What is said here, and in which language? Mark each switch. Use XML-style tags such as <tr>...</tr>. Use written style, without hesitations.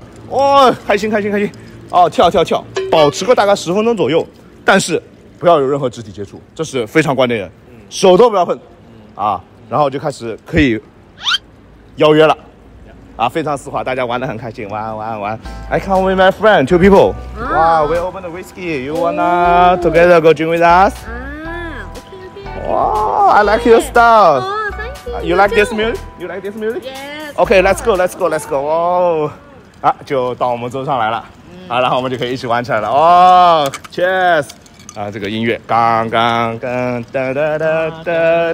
<zh>哦，开心开心开心。哦，跳跳跳，保持个大概十分钟左右，但是不要有任何肢体接触，这是非常关键的，手都不要碰啊。然后就开始可以邀约了啊，非常丝滑，大家玩得很开心，玩玩玩。</zh> <en>I come with my friend, two people. Wow, we open the whiskey. You wanna together go drink with us? Okay. Wow, I like your style. Oh, thank you. You like this music? You like this music? Yes. Okay, let's go, let's go, let's go.</en> <zh>Wow. 啊，就到我们桌上来了。好，然后我们就可以一起玩起来了。哦 ，Cheers. 啊，这个音乐，刚刚刚哒哒哒哒</zh>